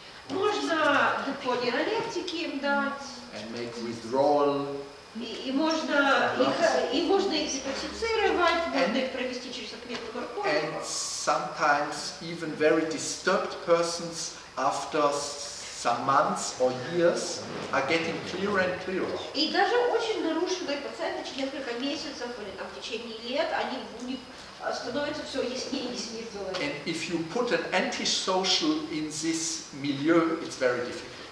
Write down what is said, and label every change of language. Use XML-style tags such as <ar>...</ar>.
<ru>Можно депо нейролептики им дать.</ru> <en>And make withdrawal.</en> <ru>И можно их детоксицировать, можно их провести через отметку наркотиков.</ru> <en>And sometimes even very disturbed persons after some months or years are getting clearer and clearer.</en> <ru>И даже очень нарушенные пациенты через несколько месяцев или там в течение лет они у них становится все яснее и яснее в голове.</ru> <en>And if you put an antisocial in this milieu, it's very difficult.</en>